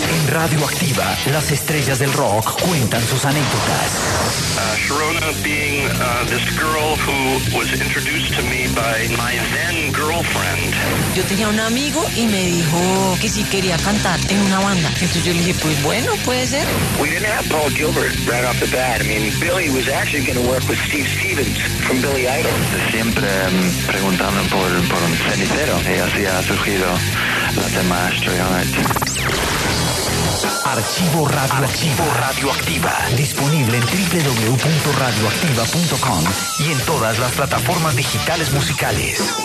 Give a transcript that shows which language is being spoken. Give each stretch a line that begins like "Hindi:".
Spanish: Radioactiva, las estrellas del rock cuentan sus anécdotas.
English: Sharona being this girl who was introduced to me by my then girlfriend.
Spanish: Yo tenía un amigo y me dijo que si quería cantar en una banda. Entonces yo le dije, pues bueno, puede ser.
English: We didn't have Paul Gilbert right off the bat. I mean, Billy was actually going to work with Steve Stevens from Billy Idol.
Spanish: Siempre preguntando por un cenicero y así ha surgido la tema Astray on it. Archivo Radioactiva. Archivo Radioactiva. Disponible en www.radioactiva.com y en todas las plataformas digitales musicales.